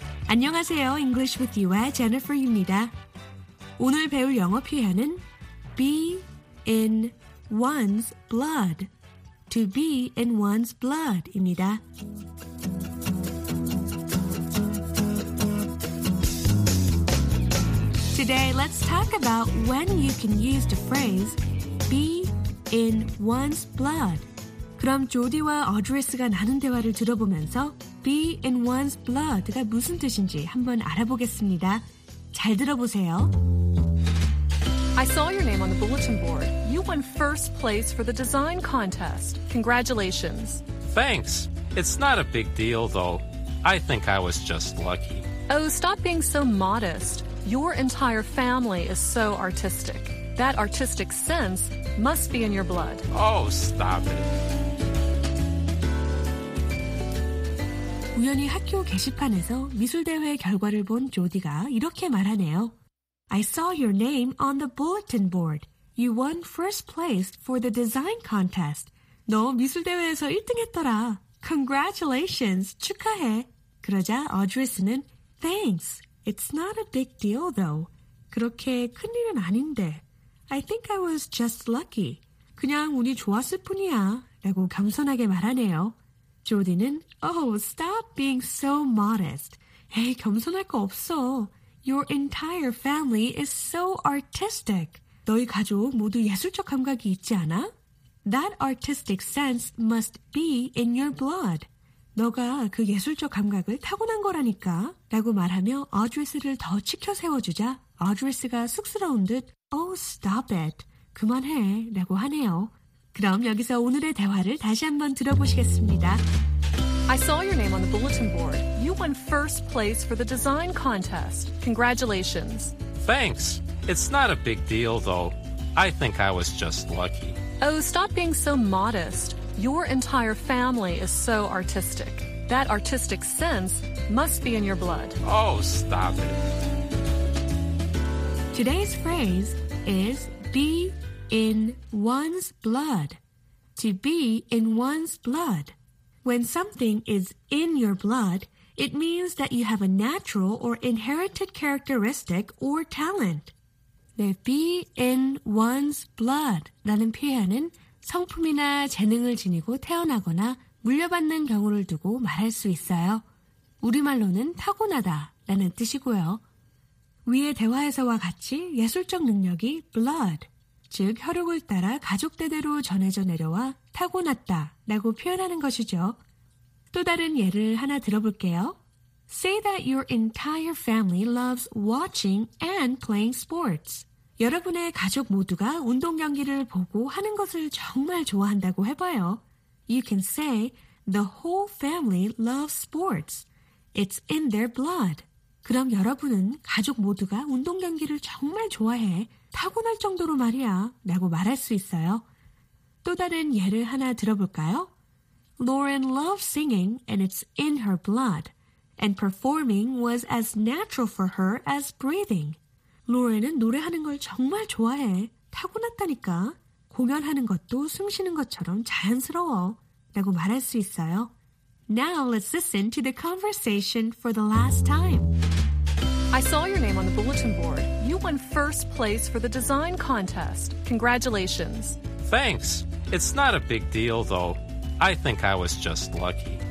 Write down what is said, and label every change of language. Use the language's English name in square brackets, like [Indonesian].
[Korean] 안녕하세요, English with you의 Jennifer입니다. 오늘 배울 영어 표현은 [English] be in one's blood, [Korean] to be in one's blood입니다. 오늘 [English] let's talk about when you can use the phrase be in one's blood. [Korean] 그럼 조디와 어드리스가 나눈 대화를 들어보면서 [English] be in one's blood [Korean] 가 무슨 뜻인지 한번 알아보겠습니다. 잘 들어보세요. [English] I saw your name on the bulletin board. You won first place for the design contest. Congratulations. Thanks. It's not a big deal though. I think I was just lucky. Oh, stop being so modest. Your entire family is so artistic. That artistic sense must be in your blood. Oh, stop it. [Korean] 우연히 학교 게시판에서 미술대회 결과를 본 조디가 이렇게 말하네요. [English] I saw your name on the bulletin board. You won first place for the design contest. [Korean] 너 미술대회에서 1등 했더라. [English] Congratulations, [Korean] 축하해. 그러자 어드리스는 [English] Thanks. It's not a big deal, though. [Korean] 그렇게 큰일은 아닌데. [English] I think I was just lucky. [Korean] 그냥 운이 좋았을 뿐이야. 라고 감선하게 말하네요. [English] 조디는 Oh, stop being so modest. [Korean] 에이, 겸손할 거 없어. [English] Your entire family is so artistic. [Korean] 너희 가족 모두 예술적 감각이 있지 않아? [English] That artistic sense must be in your blood. [Korean] 너가 그 예술적 감각을 타고난 거라니까 라고 말하며 어드리스를 더 치켜 세워주자 어드리스가 쑥스러운 듯 [English] Oh, stop it. [Korean] 그만해 라고 하네요. 그럼 여기서 오늘의 대화를 다시 한번 들어보시겠습니다. [English] I saw your name on the bulletin board. You won first place for the design contest. Congratulations. Thanks. It's not a big deal, though. I think I was just lucky. Oh, stop being so modest. Your entire family is so artistic. That artistic sense must be in your blood. Oh, stop it. Today's phrase is be in one's blood. To be in one's blood. When something is in your blood, it means that you have a natural or inherited characteristic or talent. [Korean] 네, [English] be in one's blood [Korean] 라는 표현은 성품이나 재능을 지니고 태어나거나 물려받는 경우를 두고 말할 수 있어요. 우리말로는 타고나다 라는 뜻이고요. 위의 대화에서와 같이 예술적 능력이 blood, 즉 혈육을 따라 가족대대로 전해져 내려와 타고났다 라고 표현하는 것이죠. 또 다른 예를 하나 들어볼게요. [English] Say that your entire family loves watching and playing sports. [Korean] 여러분의 가족 모두가 운동 경기를 보고 하는 것을 정말 좋아한다고 해봐요. [English] You can say, the whole family loves sports. It's in their blood. [Korean] 그럼 여러분은 가족 모두가 운동 경기를 정말 좋아해 타고날 정도로 말이야 라고 말할 수 있어요. 또 다른 예를 하나 들어볼까요? [English] Lauren loves singing and it's in her blood. And performing was as natural for her as breathing. [Korean] 로렌은 노래하는 걸 정말 좋아해. 타고났다니까. 공연하는 것도 숨 쉬는 것처럼 자연스러워. 라고 말할 수 있어요. [English] Now let's listen to the conversation for the last time. I saw your name on the bulletin board. You won first place for the design contest. Congratulations. Thanks. It's not a big deal, though. I think I was just lucky.